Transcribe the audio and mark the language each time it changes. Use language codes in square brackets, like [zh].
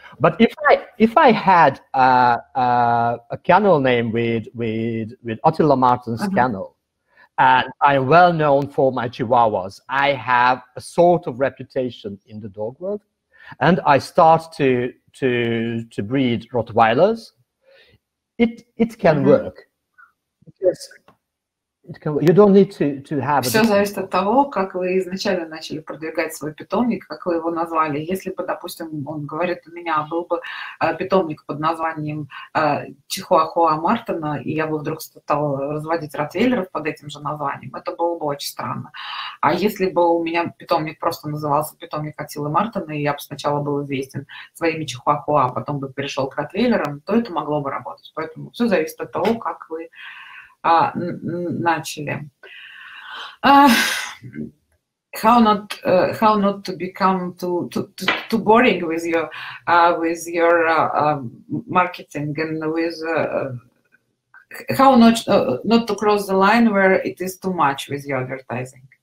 [en] But if I had a kennel name with Attila Martin's kennel, and I'm well known for my Chihuahuas, I have a sort of reputation in the dog world, and I start to breed Rottweilers, it can work. Yes. You don't need to have [ru] все зависит от того, как вы изначально начали продвигать свой питомник, как вы его назвали. Если бы, допустим, он говорит, у меня был бы питомник под названием Чихуахуа Мартона, и я бы вдруг стал разводить ротвейлеров под этим же названием, это было бы очень странно. А если бы у меня питомник просто назывался питомник Аттилы Мартона, и я бы сначала был известен своими Чихуахуа, а потом бы перешел к ротвейлерам, то это могло бы работать. Поэтому все зависит от того, как вы начали. [en] How not to become too boring with your marketing and with how not to cross the line where it is too much with your advertising.